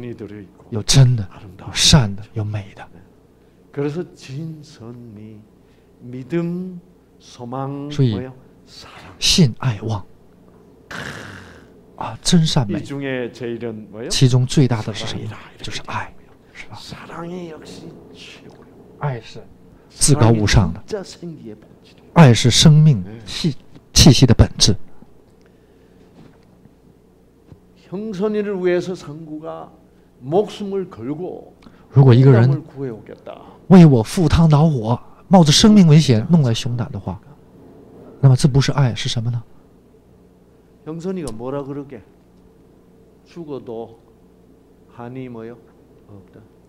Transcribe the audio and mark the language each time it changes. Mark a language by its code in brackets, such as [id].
[zh] 他说啊为了救你的命香秋啊你再忍一忍你再听一听我就是赴汤蹈火也要为你搞到熊胆这种为朋友两肋插刀的这种情谊就是一份爱就是一份情感这种情感里面呢啊已经有真的善的有美的 [ko] 그래서 진선미 믿음 소망 뭐요? [zh] 所以信爱望啊真善美。 [ko] 이 중에 제일은 뭐요? [zh] 其中最大的是什么?就是爱，是吧？ [ko] 사랑이 역시 최고요. [zh] 爱是至高无上的。爱是生命气息的本质。 [ko] 형선이를 위해서 상구가 목숨을 걸고 [zh] 如果一个人 为我赴汤蹈火，冒着生命危险弄来熊胆的话，那么这不是爱是什么呢？ [ko] 형선이가 뭐라 그러게 죽어도 한이 뭐요 없다.